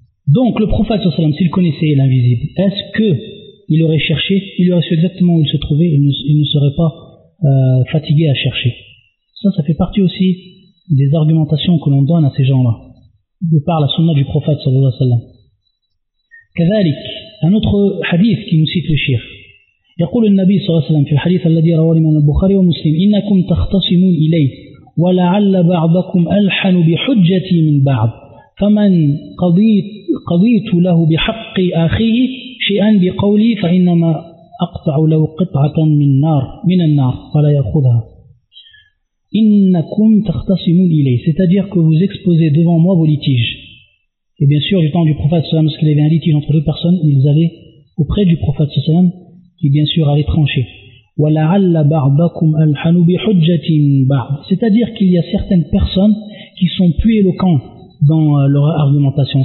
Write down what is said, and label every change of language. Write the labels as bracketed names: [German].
[French] Donc le prophète sallallahu alayhi wa sallam, s'il connaissait l'invisible, est-ce que il aurait cherché, il aurait su exactement où il se trouvait, il ne serait pas fatigué à chercher. Ça fait partie aussi des argumentations que l'on donne à ces gens-là, de par la sunna du prophète sallallahu alayhi wa sallam. Kazalik, un autre hadith qui nous cite le shir. [Arabic] يقول النبي صلى الله عليه وسلم في الحديث الذي رواه الإمام البخاري ومسلم إنكم تختصمون إليه ولعل بعضكم ألحن بحجتي من بعض فمن قضيت له بحق أخيه شيئا بقولي فإنما أقطع له قطعة من النار فلا يأخذها إنكم تختصمون إليه. [French] C'est-à-dire que vous exposez devant moi vos litiges. Et bien sûr, du temps du prophète صلى الله عليه وسلم, lorsqu'il y avait un litige entre deux personnes, ils allaient auprès du prophète صلى الله عليه وسلم, qui bien sûr allait trancher. [Arabic] وَلَعَلَّ بَعْضَكُمْ أَلْحَنُوا بِحُجَّةٍ بَعْضٍ. [French] C'est-à-dire qu'il y a certaines personnes qui sont plus éloquentes dans leur argumentation.